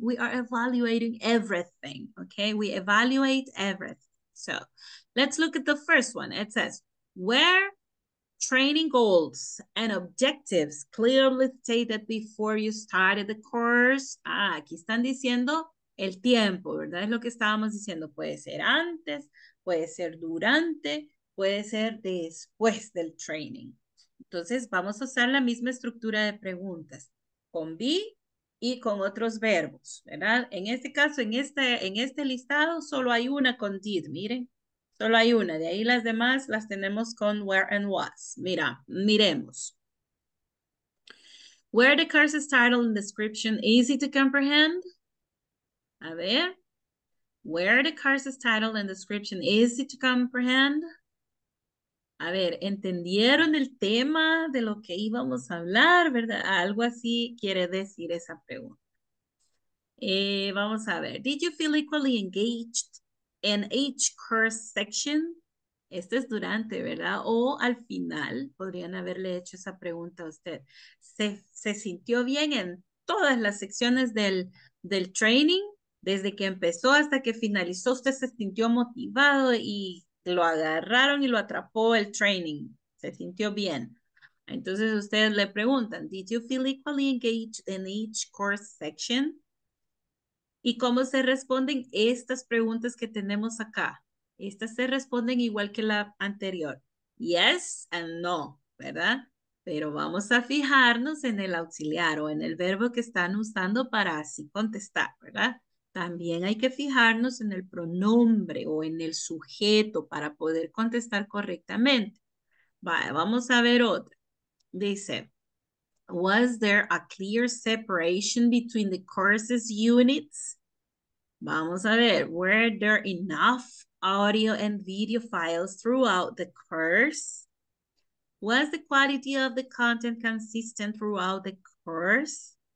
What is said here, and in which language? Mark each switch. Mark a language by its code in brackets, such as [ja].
[en] We are evaluating everything, okay? We evaluate everything. So let's look at the first one. It says, where training goals and objectives clearly stated before you started the course. [es] Ah, aquí están diciendo el tiempo, ¿verdad? Es lo que estábamos diciendo. Puede ser antes, puede ser durante, puede ser después del training. Entonces, vamos a usar la misma estructura de preguntas con be y con otros verbos, ¿verdad? En este caso, en este listado, solo hay una con did, miren. Solo hay una. De ahí las demás las tenemos con where and was. Mira, miremos. [en] Where the course's title and description easy to comprehend? [es] A ver. [en] Where the course's title and description easy to comprehend? [es] A ver, ¿entendieron el tema de lo que íbamos a hablar, verdad? Algo así quiere decir esa pregunta. Vamos a ver. [en] Did you feel equally engaged in each course section? [es] Esto es durante, ¿verdad? O al final, podrían haberle hecho esa pregunta a usted. ¿Se sintió bien en todas las secciones del training? Desde que empezó hasta que finalizó, ¿usted se sintió motivado y lo agarraron y lo atrapó el training? ¿Se sintió bien? Entonces, ustedes le preguntan, [en] ¿did you feel equally engaged in each course section? [es] ¿Y cómo se responden estas preguntas que tenemos acá? Estas se responden igual que la anterior. [en] Yes and no, [es] ¿verdad? Pero vamos a fijarnos en el auxiliar o en el verbo que están usando para así contestar, ¿verdad? También hay que fijarnos en el pronombre o en el sujeto para poder contestar correctamente. Vale, vamos a ver otra. Dice, [en] was there a clear separation between the courses units? [es] Vamos a ver, [en] were there enough audio and video files throughout the course? Was the quality of the content consistent throughout the course?